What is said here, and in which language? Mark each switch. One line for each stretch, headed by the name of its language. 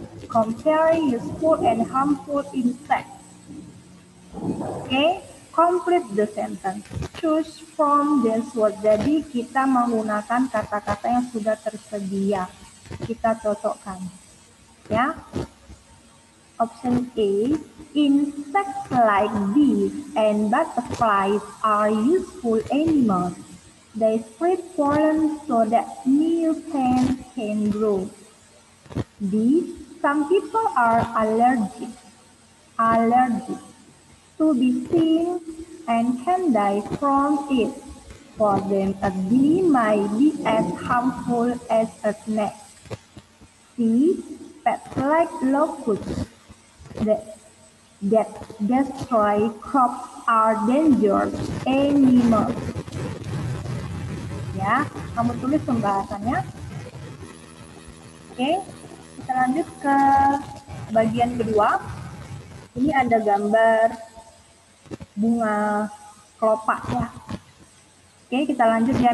English: Comparing useful and harmful insects. Okay, complete the sentence. Choose from this word.
Indonesian: Jadi kita menggunakan kata-kata yang sudah tersedia. Kita cocokkan. Ya. Option A.
English: Insects like bees and butterflies are useful animals. They spread pollen so that new plants can grow. B. Some people are allergic. Allergic to bee sting and can die from it. For them, a bee might be as harmful as a snake. C. Pets like locusts that destroy crops are dangerous animals.
Indonesian: Ya, kamu tulis pembahasannya. Oke, kita lanjut ke bagian kedua. Ini ada gambar bunga kelopak ya. Oke, kita lanjut ya.